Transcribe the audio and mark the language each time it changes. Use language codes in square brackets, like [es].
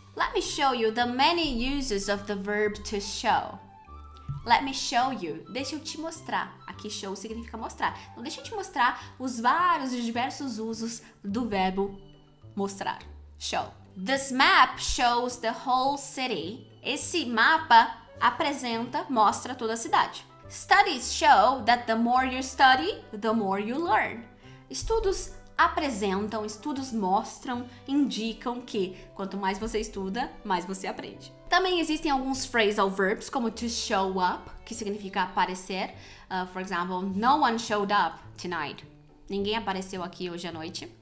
[en] Let me show you the many uses of the verb to show. Let me show you. [pt] Deixa eu te mostrar. Aqui show significa mostrar. Então deixa eu te mostrar os vários e diversos usos do verbo mostrar. [en] Show. This map shows the whole city. [pt] Esse mapa apresenta, mostra toda a cidade. [en] Studies show that the more you study, the more you learn. [pt] Estudos apresentam, estudos mostram, indicam que quanto mais você estuda, mais você aprende. Também existem alguns phrasal verbs, como to show up, que significa aparecer. [en] For example, no one showed up tonight. [pt] Ninguém apareceu aqui hoje à noite.